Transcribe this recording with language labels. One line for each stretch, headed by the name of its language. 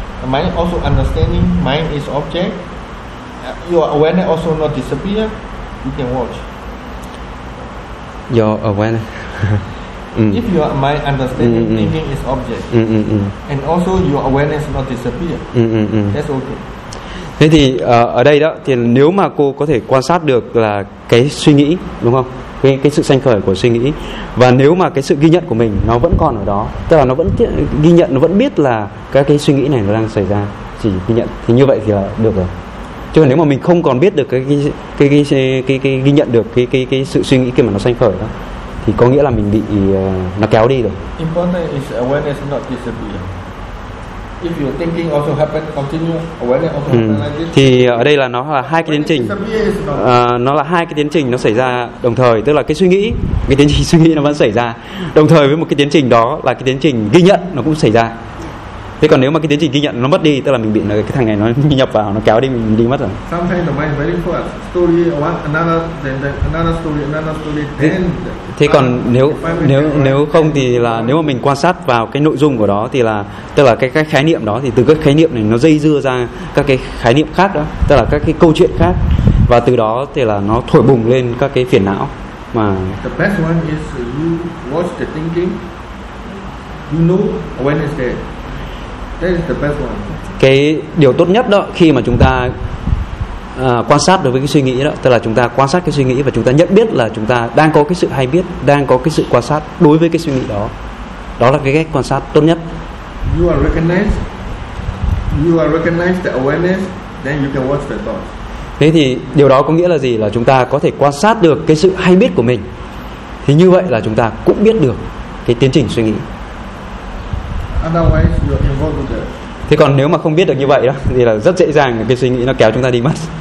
English: Mind also understanding mind is object. Your awareness also not disappear. You can watch. Your awareness. If your mind understanding thinking is object, and also your awareness not disappear. That's okay.
Vietnamese: Thế thì ở đây đó, thì nếu mà cô có thể quan sát được là cái suy nghĩ, đúng không? Cái sự sanh khởi của suy nghĩ. Và nếu mà cái sự ghi nhận của mình nó vẫn còn ở đó, tức là nó vẫn ghi nhận, nó vẫn biết là các cái suy nghĩ này nó đang xảy ra, chỉ ghi nhận, thì như vậy thì là được rồi. Chứ còn nếu mà mình không còn biết được cái ghi nhận được cái sự suy nghĩ kia mà nó sanh khởi đó, thì có nghĩa là mình bị nó kéo đi rồi.
English: Important is awareness not disappear. If your thinking also happen, continue, awareness also happen like this.
Vietnamese: Thì ở đây là nó là hai cái tiến trình, nó là hai cái tiến trình nó xảy ra đồng thời, tức là cái tiến trình suy nghĩ nó vẫn xảy ra đồng thời với một cái tiến trình, đó là cái tiến trình ghi nhận nó cũng xảy ra. Thế còn nếu mà cái tiến trình ghi nhận nó mất đi, tức là mình bị cái thằng này nó nhập vào, nó kéo đi, mình đi mất rồi.
English: Sometimes the mind is very fast. Story one, another story, then.
Vietnamese: Thế còn nếu không thì là nếu mà mình quan sát vào cái nội dung của đó, thì là tức là cái khái niệm đó, thì từ các khái niệm này nó dây dưa ra các cái khái niệm khác đó, tức là các cái câu chuyện khác, và từ đó thì là nó thổi bùng lên các cái phiền não mà.
English: The best one is you watch the thinking. you know when it's there. That is the best one.
Vietnamese: Cái điều tốt nhất đó khi mà chúng ta quan sát đối với cái suy nghĩ đó, tức là chúng ta quan sát cái suy nghĩ và chúng ta nhận biết là chúng ta đang có cái sự hay biết, đang có cái sự quan sát đối với cái suy nghĩ đó. Đó là cái cách quan sát tốt nhất.
English: You are recognized. You are recognized the awareness, then you can watch the thought.
Vietnamese: Thế thì điều đó có nghĩa là gì? Là chúng ta có thể quan sát được cái sự hay biết của mình. Thì như vậy là chúng ta cũng biết được cái tiến trình suy nghĩ.
English: Otherwise you are involved with it.
Vietnamese: Thế còn nếu mà không biết được như vậy đó thì là rất dễ dàng cái suy nghĩ nó kéo chúng ta đi mất.